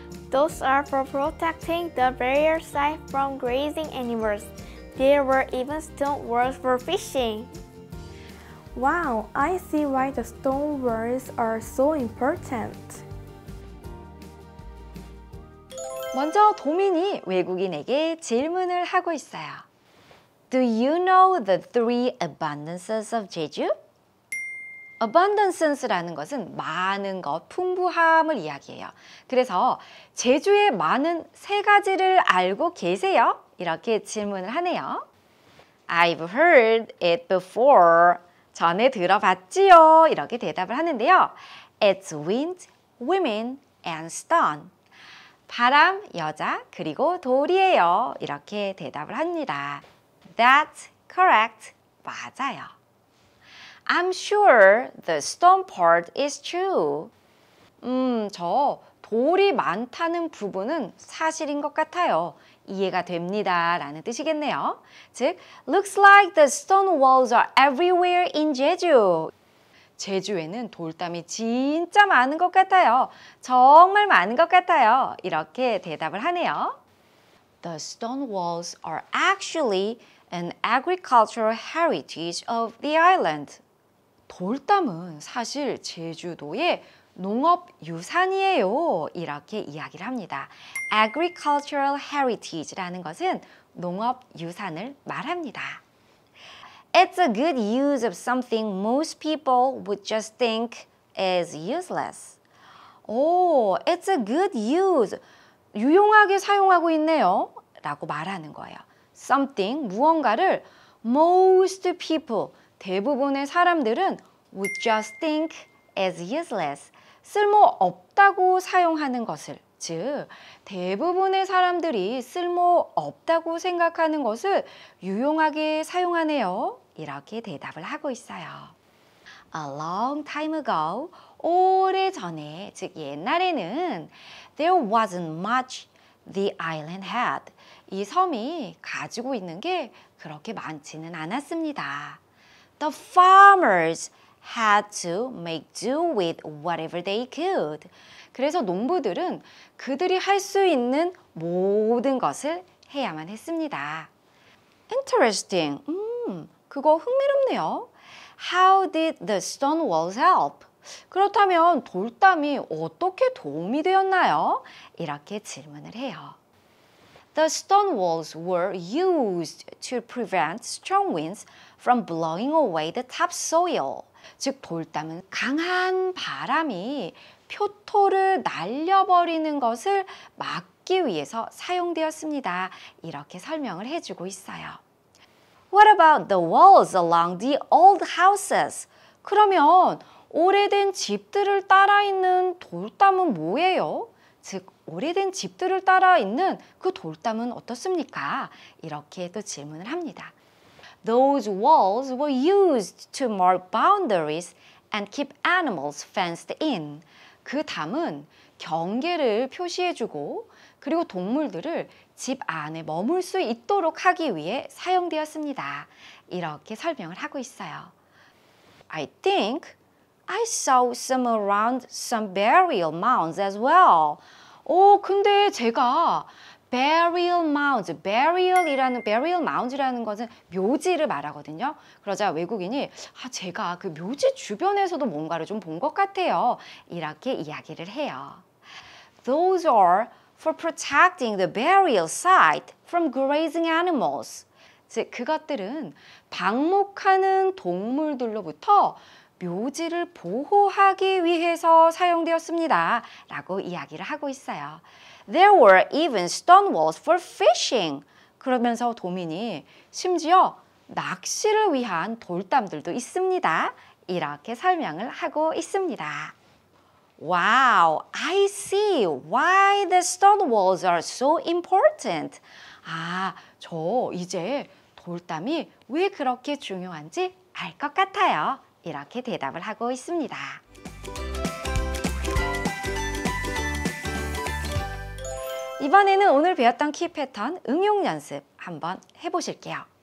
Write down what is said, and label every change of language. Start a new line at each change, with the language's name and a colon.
English: Those are for protecting the barrier site from grazing animals. There were even stone walls for fishing. Wow, I see why the stone walls are so important.
Korean: 먼저 도민이 외국인에게 질문을 하고 있어요.
English: Do you know the three abundances of Jeju?
Korean: Abundance라는 것은 많은 것, 풍부함을 이야기해요. 그래서 제주에 많은 세 가지를 알고 계세요? 이렇게 질문을 하네요.
English: I've heard it before.
Korean: 전에 들어봤지요? 이렇게 대답을 하는데요.
English: It's wind, women, and stone.
Korean: 바람, 여자, 그리고 돌이에요. 이렇게 대답을 합니다.
English: That's correct.
Korean: 맞아요.
English: I'm sure the stone part is true.
Korean: 저 돌이 많다는 부분은 사실인 것 같아요. 이해가 됩니다. 라는 뜻이겠네요.
English: 즉, looks like the stone walls are everywhere in Jeju.
Korean: 제주에는 돌담이 진짜 많은 것 같아요. 정말 많은 것 같아요. 이렇게 대답을 하네요.
English: The stone walls are actually an agricultural heritage of the island.
Korean: 돌담은 사실 제주도의 농업 유산이에요. 이렇게 이야기를 합니다. Agricultural heritage라는 것은 농업 유산을 말합니다.
English: It's a good use of something most people would just think is useless. It's a good use.
Korean: 유용하게 사용하고 있네요. 라고 말하는 거예요. Something, 무언가를 most people, 대부분의 사람들은
English: would just think as useless,
Korean: 쓸모없다고 사용하는 것을, 즉 대부분의 사람들이 쓸모없다고 생각하는 것을 유용하게 사용하네요. 이렇게 대답을 하고 있어요.
English: A long time ago,
Korean: 오래전에, 즉 옛날에는
English: there wasn't much the island had.
Korean: 이 섬이 가지고 있는 게 그렇게 많지는 않았습니다.
English: The farmers had to make do with whatever they could.
Korean: 그래서 농부들은 그들이 할 수 있는 모든 것을 해야만 했습니다.
English: Interesting.
Korean: 그거 흥미롭네요.
English: How did the stone walls help?
Korean: 그렇다면 돌담이 어떻게 도움이 되었나요? 이렇게 질문을 해요.
English: The stone walls were used to prevent strong winds from blowing away the topsoil.
Korean: 즉, 돌담은 강한 바람이 표토를 날려버리는 것을 막기 위해서 사용되었습니다. 이렇게 설명을 해주고 있어요.
English: What about the walls along the old houses?
Korean: 그러면 오래된 집들을 따라 있는 돌담은 뭐예요? 즉, 오래된 집들을 따라 있는 그 돌담은 어떻습니까? 이렇게 또 질문을 합니다.
English: Those walls were used to mark boundaries and keep animals fenced in.
Korean: 그 담은 경계를 표시해주고 그리고 동물들을 집 안에 머물 수 있도록 하기 위해 사용되었습니다. 이렇게 설명을 하고 있어요.
English: I think I saw some around some burial mounds as well.
Korean: 근데 제가 burial mounds, burial mounds라는 것은 묘지를 말하거든요. 그러자 외국인이 제가 그 묘지 주변에서도 뭔가를 좀 본 것 같아요. 이렇게 이야기를 해요.
English: Those are for protecting the burial site from grazing animals.
Korean: 즉, 그것들은 방목하는 동물들로부터 묘지를 보호하기 위해서 사용되었습니다. 라고 이야기를 하고 있어요.
English: There were even stone walls for fishing.
Korean: 그러면서 도민이 심지어 낚시를 위한 돌담들도 있습니다. 이렇게 설명을 하고 있습니다.
English: Wow, I see why the stone walls are so important.
Korean: 저 이제 돌담이 왜 그렇게 중요한지 알 것 같아요. 이렇게 대답을 하고 있습니다. 이번에는 오늘 배웠던 키 패턴 응용 연습 한번 해보실게요.